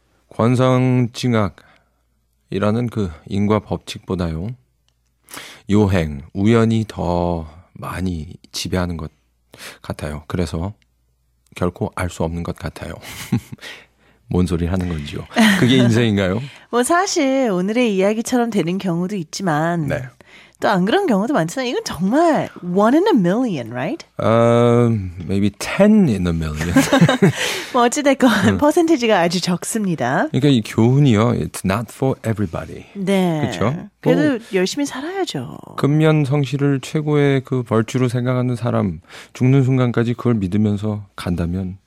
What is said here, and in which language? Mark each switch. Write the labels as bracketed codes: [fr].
[ko] 권선징악이라는 그 인과 법칙보다요, 요행, 우연이 더 많이 지배하는 것 같아요. 그래서 결코 알 수 없는 것 같아요. 뭔 소리를 하는 건지요. 그게 인생인가요? 뭐 사실 오늘의 이야기처럼 되는 경우도 있지만 네. 또 안 그런 경우도 많잖아요. 이건 정말 [en] one in a million, right? Maybe 10 in a million. [ko] 뭐 어찌됐건 퍼센티지가 아주 적습니다. 그러니까 이 교훈이요. [en] It's not for everybody. [ko] 네. 그렇죠? 그래도 뭐, 열심히 살아야죠. 근면 성실을 최고의 그 벌주로 생각하는 사람, 죽는 순간까지 그걸 믿으면서 간다면